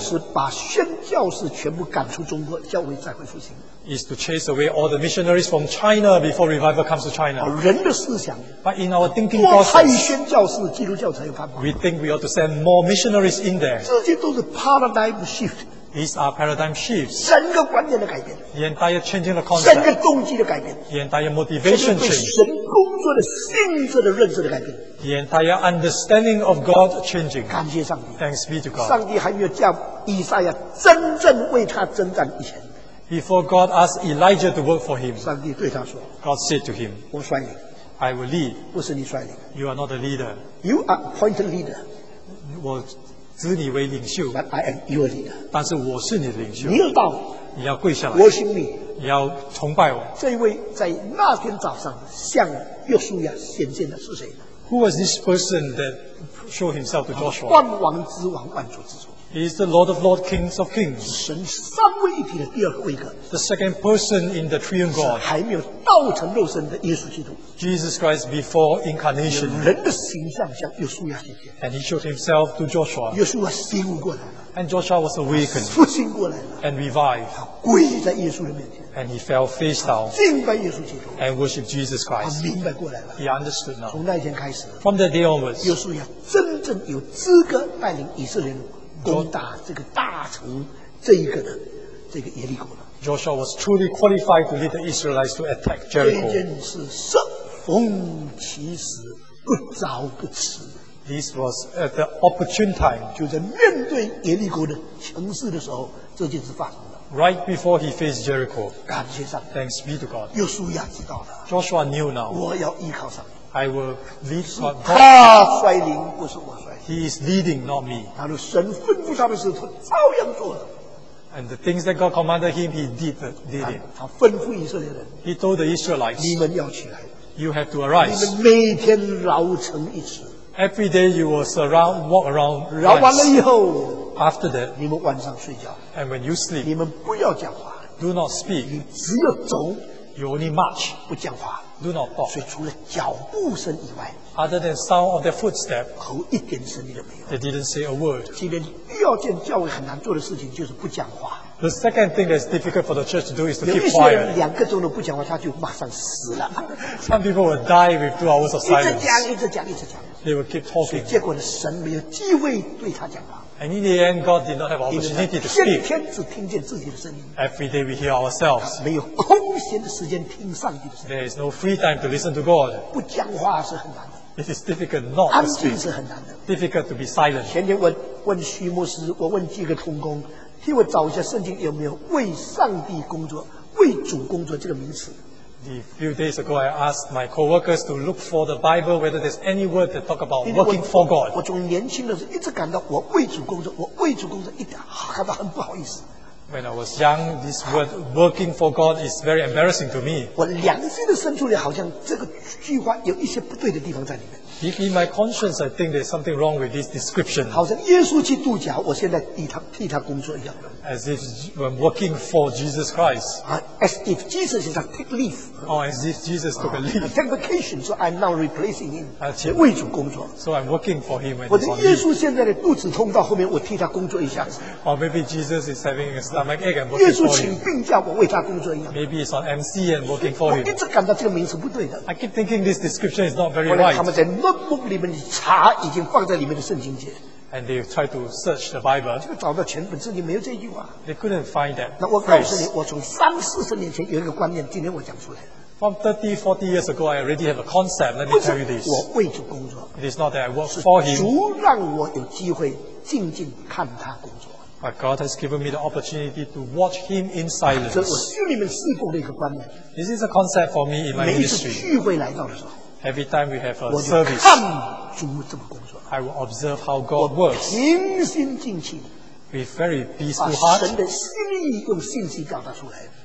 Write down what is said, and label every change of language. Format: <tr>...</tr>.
<zh>是把宣教士全部赶出中国，教会再会复兴。</zh> <en>Is to chase away all the missionaries from China before revival comes to China.</en> <zh>人的思想，</zh> <en>but in our thinking process,</en> <zh>多派宣教士，基督教才有办法。</zh> <en>We think we ought to send more missionaries in there.</en> <zh>这些都是</zh> <en>paradigm shift。 These are paradigm shifts.</en> <zh>整个观念的改变。</zh> <en>The entire changing the concept.</en> <zh>整个动机的改变。</zh> <en>The entire motivation change.</en> <zh>整个对神工作的性质的认识的改变。</zh> <en>The entire understanding of God changing.</en> <zh>感谢上帝。</zh> <en>Thanks be to God.</en> <zh>上帝还没有叫以赛亚真正为他征战以前。</zh> <en>Before God asked Elijah to work for him.</en> <zh>上帝对他说。</zh> <en>God said to him.</en> <zh>我率领。</zh> <en>I will lead.</en> <zh>不是你率领。</zh> <en>You are not a leader. You are appointed leader.</en> <zh>我指你为领袖，</zh> <en>But I am your leader.</en> <zh>但是我是你的领袖。你要到，你要跪下来。我请你，你要崇拜我。这位在那天早上向约书亚显现的是谁呢？</zh> <en>Who was this person that showed himself to Joshua?</en> <zh>万王之王，万主之主。</zh> <en>He is the Lord of Lords, Kings of Kings.</en> <zh>神三位一体的第二位格。</zh> <en>The second person in the triune God.</en> <zh>还没有道成肉身的耶稣基督。</zh> <en>Jesus Christ before incarnation.</en> <zh>用人的形象向约书亚显现。</zh> <en>And he showed himself to Joshua.</en> <zh>约书亚醒悟过来了。</zh> <en>And Joshua was awakened.</en> <zh>复兴过来了。</zh> <en>And revived.</en> <zh>他跪在耶稣的面前。</zh> <en>And he fell face down.</en> <zh>敬拜耶稣基督。</zh> <en>And worshiped Jesus Christ.</en> <zh>他明白过来了。</zh> <en>He understood now.</en> <zh>从那天开始。</zh> <en>From that day onwards.</en> <zh>约书亚真正有资格带领以色列人。攻打这个大城，这一个的这个耶利哥了。</zh> <en>Joshua was truly qualified to lead the Israelites to attack Jericho.</en> <zh>这件事是逢其时，不早不迟。</zh> <en>This was at the opportune time.</en> <zh>就在面对耶利哥的城市的时候，这件事发生了。</zh> <en>Right before he faced Jericho.</en> <zh>感谢上帝。</zh> <en>Thanks be to God.</en> <zh>约书亚知道了。</zh> <en>Joshua knew now.</en> <zh>我要依靠上帝。</zh> <en>I will lead</en> <zh>God. 他率领，不是我率领。</zh> <en>He is leading, not me.</en> <zh>他说神吩咐他的事，他照样做了。</zh> <en>And the things that God commanded him, he did it.</en> <zh>他吩咐以色列人。</zh> <en>He told the Israelites,</en> <zh>你们要起来。</zh> <en>You have to arise.</en> <zh>你们每天劳成一次。</zh> <en>Every day you will surround, walk around.</en> <zh>劳完了以后。</zh> <en>After that,</en> <zh>你们晚上睡觉。</zh> <en>And when you sleep,</en> <zh>你们不要讲话。</zh> <en>Do not speak.</en> <zh>你只有走。</zh> <en>You only march.</en> <zh>不讲话。</zh> <en>Do not talk.</en> <zh>所以除了脚步声以外，</zh> <en>other than sound of their footstep,</en> <zh>口一点声音都没有。</zh> <en>They didn't say a word.</en> <zh>今天第二件教会很难做的事情就是不讲话。</zh> <en>The second thing that's difficult for the church to do is to keep quiet.</en> <zh>有一些人两个钟头不讲话，他就马上死了。</zh> <en>Some people will die with 2 hours of silence.</en> <zh>一直讲。</zh> <en>They will keep talking.</en> <zh>所以结果呢，神没有机会对他讲话。</zh> <en>And in the end, God did not have opportunity to speak.</en> <zh>天天只听见自己的声音。</zh> <en>Every day we hear ourselves.</en> <zh>没有空闲的时间听上帝的声音。</zh> <en>There is no free time to listen to God.</en> <zh>不讲话是很难的。</zh> <en>It is difficult not to speak.</en> <zh>安静是很难的。</zh> <en>Difficult to be silent.</en> <zh>前天我问徐牧师，我问几个同工，替我找一下圣经有没有“为上帝工作”、“为主工作”这个名词。</zh> <en>A few days ago, I asked my coworkers to look for the Bible whether there's any word that talk about working for God.</en> <zh>我从年轻的时候一直感到我为主工作，我为主工作一点感到很不好意思。</zh> <en>When I was young, this word working for God is very embarrassing to me.</en> <zh>我良心的深处里好像这个句话有一些不对的地方在里面。</zh> <en>Deep in my conscience, I think there's something wrong with this description.</en> <zh>好像耶稣去度假，我现在替他工作一样。</zh> <en>As if when working for Jesus Christ. As if Jesus is a take leave. Or as if Jesus took a leave. A take vacation, so I'm now replacing him.</en> <zh>为主工作。</zh> <en>So I'm working for him when he's on leave.</en> <zh>耶稣现在的肚子痛到后面，我替他工作一下。</zh> <en>Or maybe Jesus is having a stomach ache and working for him.</en> <zh>耶稣请病假，我为他工作一样。</zh> <en>Maybe he's on MC and working for him.</en> <zh>我一直感到这个名词不对的。</zh> <en>I keep thinking this description is not very right.</en> <zh>他们在 notebook 里面查已经放在里面的圣经节。</zh> <en>And they try to search the Bible.</en> <zh>就找到全本圣经没有这句话。</zh> <en>They couldn't find that.</en> <zh>那我告诉你，我从三四十年前有一个观念，今天我讲出来。</zh> <en>From 30, 40 years ago, I already have a concept. Let me tell you this.</en> <zh>我为主工作。</zh> <en>It is not that I work for him.</en> <zh>主让我有机会静静看他工作。</zh> <en>But God has given me the opportunity to watch him in silence.</en> <zh>这是我心里面事故的一个观念。</zh> <en>This is a concept for me in my ministry.</en> <zh>每一次聚会来到的时候。</zh> <en>Every time we have a service,</en> <zh>看主怎么工作。</zh> <en>I will observe how God works.</en> <zh>我平心静气。</zh> <en>With very peaceful heart.</en> <zh>把神的心意用信息表达出来。</zh>